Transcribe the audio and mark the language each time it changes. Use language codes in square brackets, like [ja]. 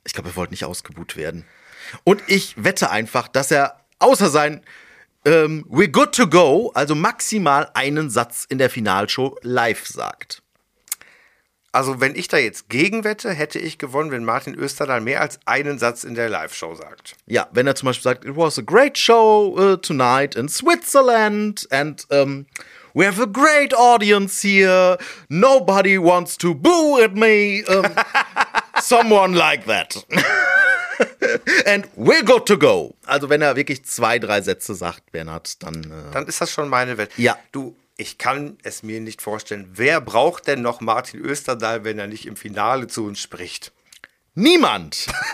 [de] Ich glaube, er wollte nicht ausgebuht werden. Und ich wette einfach, dass er außer sein [en] We're good to go, [de] also maximal einen Satz in der Finalshow live sagt. Also wenn ich da jetzt gegen wette, hätte ich gewonnen, wenn Martin Österdahl mehr als einen Satz in der Live-Show sagt. Ja, wenn er zum Beispiel sagt, [en] it was a great show tonight in Switzerland and we have a great audience here, nobody wants to boo at me, someone like that. And we're good to go. [de] Also wenn er wirklich 2, 3 Sätze sagt, Bernhard, dann... Dann ist das schon meine Wette. Ja. Du... Ich kann es mir nicht vorstellen. Wer braucht denn noch Martin Österdahl, wenn er nicht im Finale zu uns spricht? Niemand!